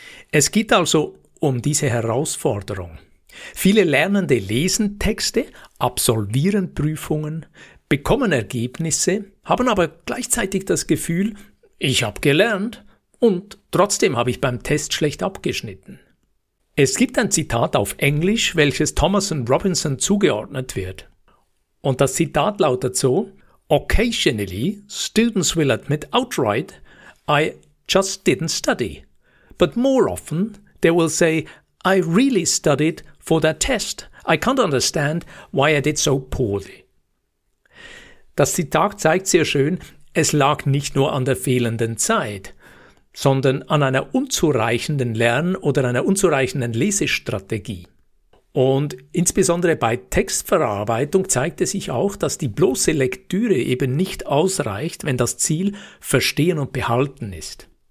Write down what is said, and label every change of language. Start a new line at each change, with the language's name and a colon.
German: Es geht also um diese Herausforderung. Viele Lernende lesen Texte, absolvieren Prüfungen, bekommen Ergebnisse, haben aber gleichzeitig das Gefühl, ich habe gelernt und trotzdem habe ich beim Test schlecht abgeschnitten. Es gibt ein Zitat auf Englisch, welches Thomas und Robinson zugeordnet wird. Und das Zitat lautet so:
English: Occasionally, students will admit outright, I just didn't study. But more often, they will say, I really studied for that test. I can't understand why I did so poorly.
German: Das Zitat zeigt sehr schön, es lag nicht nur an der fehlenden Zeit, sondern an einer unzureichenden Lern- oder einer unzureichenden Lesestrategie. Und insbesondere bei Textverarbeitung zeigte sich auch, dass die bloße Lektüre eben nicht ausreicht, wenn das Ziel Verstehen und Behalten ist.